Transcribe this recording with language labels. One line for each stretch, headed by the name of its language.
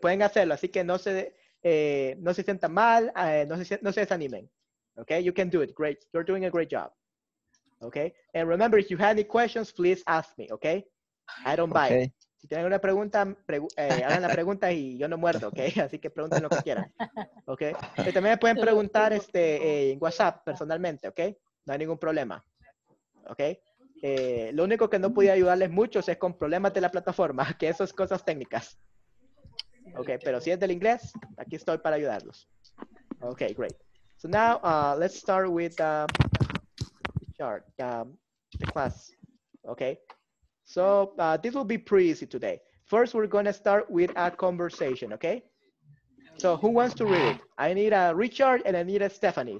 Spanish: Pueden hacerlo, así que no se sientan mal, no se desanimen.
English: Okay, you can do it. Great, you're doing a great job. Okay, and remember, if you have any questions, please ask me, okay? I don't bite.
Spanish: Si tienen una pregunta, hagan la pregunta y yo no muerdo, okay? Así que pregunten lo que quieran, okay? Pero también me pueden preguntar en WhatsApp personalmente, okay? No hay ningún problema, okay? Lo único que no podía ayudarles mucho es con problemas de la plataforma, que eso es cosas técnicas. Okay, pero si es del inglés, aquí estoy para ayudarlos.
English: Okay, great. So now, let's start with... the class. Okay, so this will be pretty easy today. First, we're going to start with a conversation, okay? So who wants to read it? I need a Richard and I need a Stephanie.